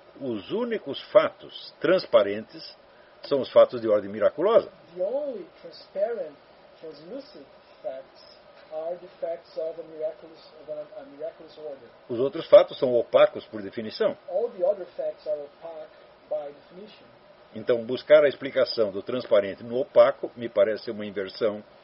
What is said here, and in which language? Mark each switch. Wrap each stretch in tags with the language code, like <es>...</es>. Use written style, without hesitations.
<pt>Os únicos fatos transparentes são os fatos de ordem miraculosa.</pt> <en>The only transparent, translucent facts are the facts of a miraculous order.</en> <pt>Os outros fatos são opacos por definição.</pt> <en>All the other facts are opaque by definition.</en> <pt>Então, buscar a explicação do transparente no opaco me parece uma inversão.</pt>